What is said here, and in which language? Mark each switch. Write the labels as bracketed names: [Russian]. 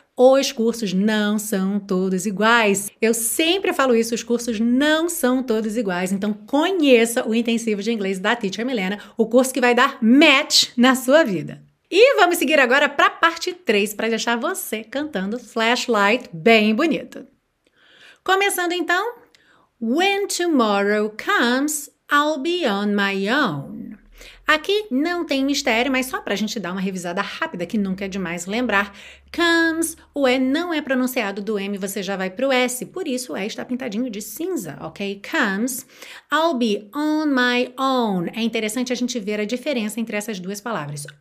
[Portuguese] Os cursos não são todos iguais. Eu sempre falo isso, os cursos não são todos iguais. Então, conheça o intensivo de inglês da Teacher Milena, o curso que vai dar match na sua vida. E vamos seguir agora para a parte 3, para deixar você cantando Flashlight bem bonito. Começando então. [English] When tomorrow comes, I'll be on my own. [Portuguese] Aqui não tem mistério, mas só para a gente dar uma revisada rápida, que nunca é demais lembrar. Comes, o E não é pronunciado do M, você já vai para o S. Por isso, o E está pintadinho de cinza, ok? [English] Comes, I'll be on my own. [Portuguese] É interessante a gente ver a diferença entre essas duas palavras.